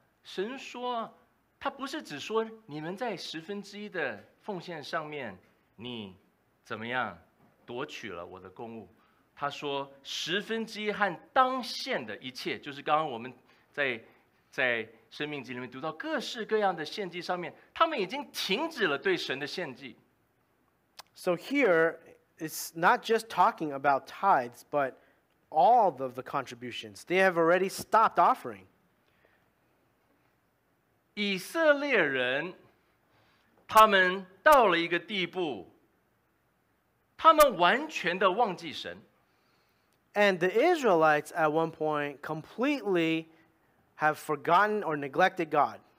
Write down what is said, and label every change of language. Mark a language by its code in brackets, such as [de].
[zh] 神说， 他不是只说你们在十分之一的奉献上面， 你怎么样？夺取了我的公物， 他说十分之一和当献的一切， 就是刚刚我们在生命集里面读到， 各式各样的献祭上面， 他们已经停止了对神的献祭。 [en] So here, it's not just talking about tithes, but all of the contributions. They have already stopped offering. [zh] 以色列人， 他们到了一个地步， 他们完全的忘记神。 [en] And the Israelites at one point completely have forgotten or neglected God.